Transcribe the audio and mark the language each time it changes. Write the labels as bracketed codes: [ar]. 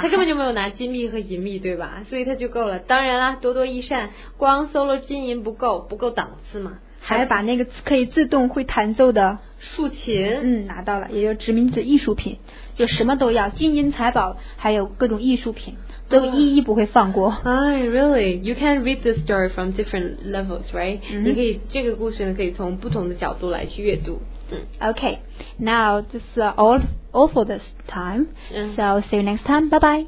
[zh] 他根本就没有拿金币和银币，对吧？所以他就够了。当然啦，多多益善，光搜了金银不够档次嘛，还把那个可以自动会弹奏的竖琴拿到了，也就是殖民者艺术品，就什么都要，金银财宝还有各种艺术品都一一不会放过。 [en] Really, you can read the story from different levels, right? [zh] 你可以这个故事呢可以从不同的角度来去阅读。 [en] Okay, now this is all for this time. So see you next time. Bye bye.